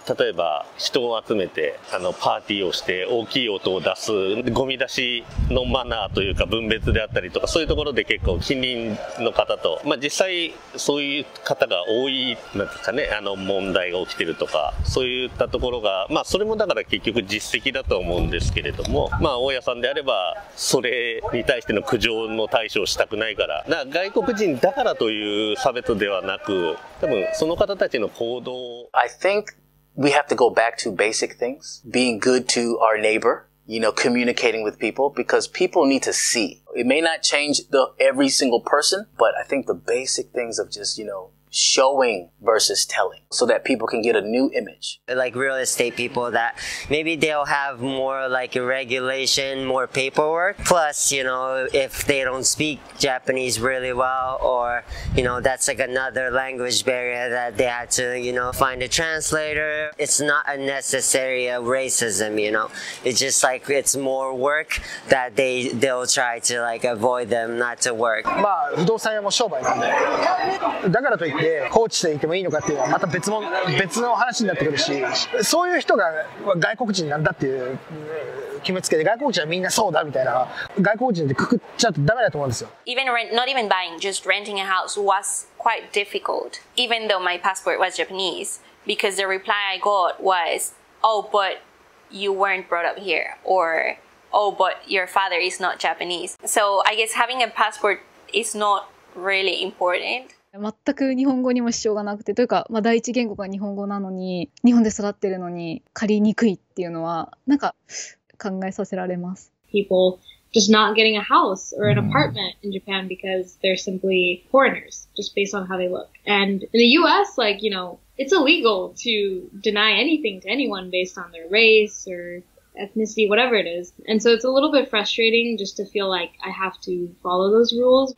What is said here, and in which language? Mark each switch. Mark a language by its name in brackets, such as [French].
[Japanese] 例えば人を集めてパーティーをして大きい音を出す、ゴミ出しのマナーというか分別であったりとか、そういうところで結構近隣の方と、まあ、実際そういう方が多いなんですかね、問題が起きてるとか、そういったところが、まあ、それもだから結局実績だと思うんですけれども、まあ大家さんであればそれに対しての苦情の対処をしたくないから、だから外国人だからという差別ではなく、多分その方たちの行動。 [English] I think we have to go back to basic things. Being good to our neighbor, you know, communicating with people, because people need to see. It may not change the every single person, but I think the basic things of just, you know, showing versus telling, so that people can get a new image. Like real estate people, that maybe they'll have more like regulation, more paperwork. Plus, you know, if they don't speak Japanese really well, or, you know, that's like another language barrier that they had to, you know, find a translator. It's not a necessary racism, you know. It's just like it's more work that they'll try to like avoid them not to work. [Japanese] まあ不動産屋も商売なんで、だからといって放置していてもいいのかっていうのはまた別の話になってくるし、そういう人が外国人なんだっていう決めつけで、外国人はみんなそうだみたいな、外国人でくくっちゃうとダメだと思うんですよ。 [English] Even rent, not even buying, just renting a house was quite difficult, even though my passport was Japanese, because the reply I got was, oh, but you weren't brought up here, or, oh, but your father is not Japanese. So I guess having a passport is not really important. [Japanese] 全く日本語にも支障がなくて、というか、まあ、第一言語が日本語なのに、日本で育ってるのに借りにくいっていうのは、なんか考えさせられます。 [English] People just not getting a house or an apartment in Japan because they're simply foreigners, just based on how they look. And in the US, like, you know, it's illegal to deny anything to anyone based on their race or ethnicity, whatever it is. And so it's a little bit frustrating just to feel like I have to follow those rules.